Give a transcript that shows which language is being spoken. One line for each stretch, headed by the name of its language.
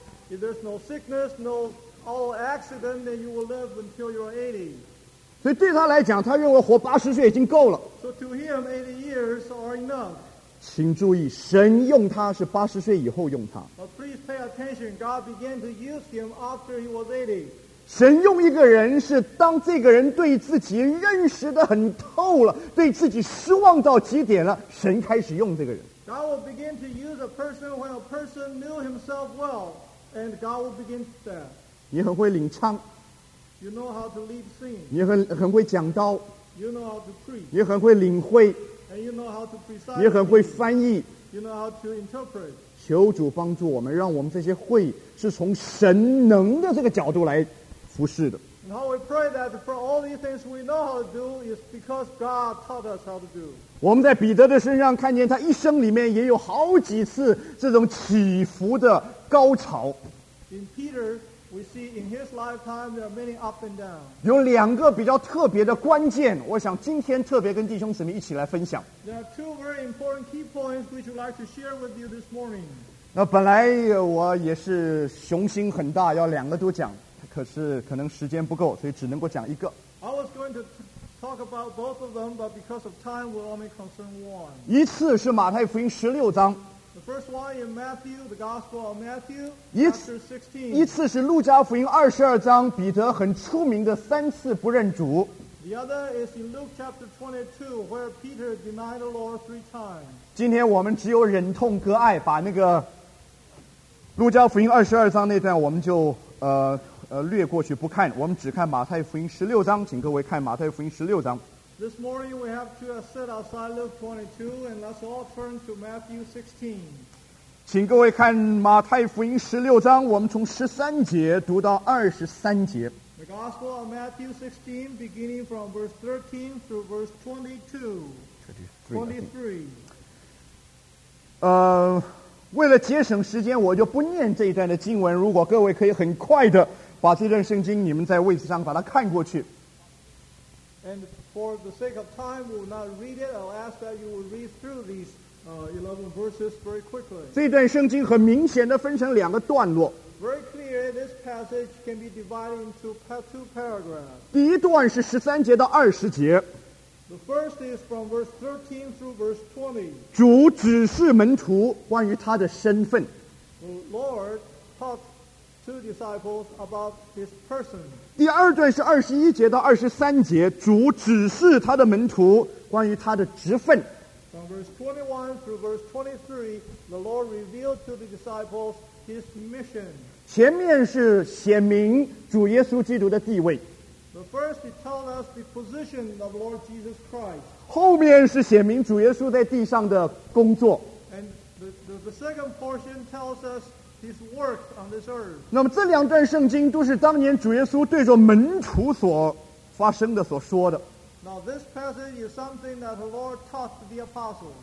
English: If there's no sickness, no all accident, then you will live until you're 80.
Chinese: 所以对他来讲，他认为活80岁已经够了。
English: So to him, 80 years are enough.
Chinese: 请注意，神用他是80岁以后用他。
English: But please pay attention. God began to use him after he was 80.
Chinese: 神用一个人是当这个人对自己认识得很透了，对自己失望到极点了，神开始用这个人。
English: God will begin to use a person when a person knew himself well. And God will begin there.
Chinese: 你很会领唱。
English: You know how to lead sing.
Chinese: 你很会讲道。
English: You know how to preach.
Chinese: 你很会领会。
English: And you know how to preside.
Chinese: 你很会翻译。
English: You know how to interpret.
Chinese: 求主帮助我们，让我们这些会是从神能的这个角度来服侍的。
English: And how we pray that for all these things we know how to do is because God taught us how to do.
Chinese: 我们在彼得的身上看见他一生里面也有好几次这种起伏的高潮。
English: In Peter, we see in his lifetime there are many up and down.
Chinese: 有两个比较特别的关键，我想今天特别跟弟兄姊妹一起来分享。
English: There are two very important key points which we'd like to share with you this morning.
Chinese: 那本来我也是雄心很大，要两个都讲。可是可能时间不够，所以只能够讲一个。
English: I was going to talk about both of them, but because of time, we'll only concern one.
Chinese: 一次是马太福音十六章。
English: The first one in Matthew, the Gospel of Matthew, chapter 16.
Chinese: 一次是路加福音二十二章，彼得很出名的三次不认主。
English: The other is in Luke chapter 22, where Peter denied the Lord three times.
Chinese: 今天我们只有忍痛割爱，把那个路加福音二十二章那段，我们就略过去不看，我们只看马太福音十六章，请各位看马太福音十六章。
English: This morning we have to set aside Luke 22 and let's all turn to Matthew 16.
Chinese: 请各位看马太福音十六章，我们从十三节读到二十三节。
English: The Gospel of Matthew 16, beginning from verse 13 through verse 23.
Chinese: 为了节省时间，我就不念这一段的经文。如果各位可以很快的把这段圣经你们在位置上把它看过去。
English: And for the sake of time, we will not read it. I'll ask that you will read through these 11 verses very quickly.
Chinese: 这段圣经很明显的分成两个段落。
English: Very clear, this passage can be divided into two paragraphs.
Chinese: 第一段是十三节到二十节。
English: The first is from verse 13 through verse 20.
Chinese: 主指示门徒关于他的身份。
English: The Lord taught two disciples about his person.
Chinese: 第二段是二十一节到二十三节，主指示他的门徒关于他的职分。
English: From verse 21 through verse 23, the Lord revealed to the disciples his mission.
Chinese: 前面是显明主耶稣基督的地位。
English: The first, he told us the position of Lord Jesus Christ.
Chinese: 后面是显明主耶稣在地上的工作。
English: And the second portion tells us his work on this earth.
Chinese: 那么这两段圣经都是当年主耶稣对着门徒所发生的、所说的。
English: Now this passage is something that the Lord taught to the apostles.